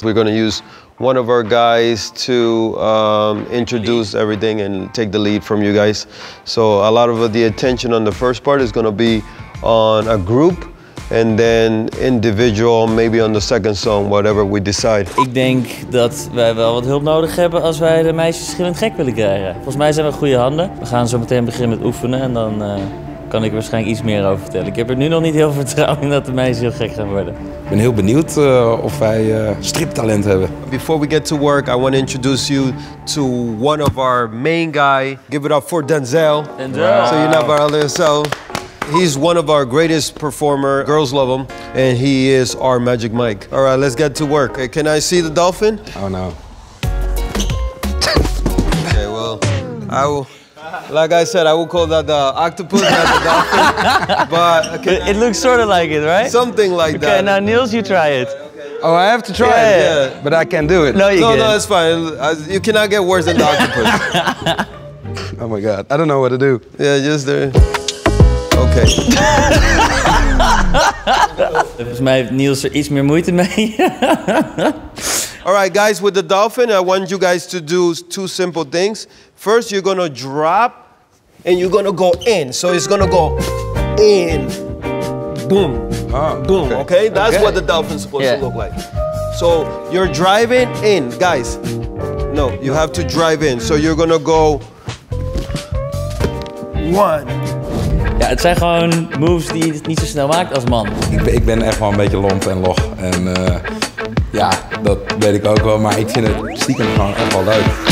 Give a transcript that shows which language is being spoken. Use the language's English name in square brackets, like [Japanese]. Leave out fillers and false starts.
[English] We're gonna use one of our guys to introduce everything and take the lead from you guys. So a lot of the attention on the first part is gonna be on a group. [Dutch] En dan [English] individual, maybe on the second song, whatever we decide. [Dutch] Ik denk dat wij wel wat hulp nodig hebben als wij de meisjes schillend gek willen krijgen. Volgens mij zijn we goede handen. We gaan zo meteen beginnen met oefenen en dan kan ik er waarschijnlijk iets meer over vertellen. Ik heb er nu nog niet heel veel vertrouwen in dat de meisjes heel gek gaan worden. Ik ben heel benieuwd of wij striptalent hebben. [English] Before we get to work, I want to introduce you to one of our main guy. Give it up for Denzel. Denzel. Wow. So you're not by yourself. He's one of our greatest performer. Girls love him. And he is our Magic Mike. All right, let's get to work. Okay, can I see the dolphin? Oh, no. Okay, well, I will, like I said, I will call that the octopus, not the dolphin. But it looks sort of like it, right? Something like okay, that. Okay, now, Niels, you try it. Oh, I have to try yeah, it, yeah. But I can't do it. No, it's fine. You cannot get worse than the octopus. Oh, my God. I don't know what to do. Yeah, just there. Okay. [Dutch] Volgens mij heeft Niels er iets meer moeite mee. [English] All right, guys, with the dolphin, I want you guys to do two simple things. First, you're gonna drop, and you're gonna go in. So it's gonna go in. Boom. Boom, okay? That's okay. What the dolphin's supposed to look like. So you're driving in. Guys, no, you have to drive in. So you're gonna go one. [Dutch] Ja, het zijn gewoon moves die je niet zo snel maakt als man. Ik ben echt wel een beetje lomp en log. En ja, dat weet ik ook wel, maar ik vind het stiekem gewoon echt wel leuk.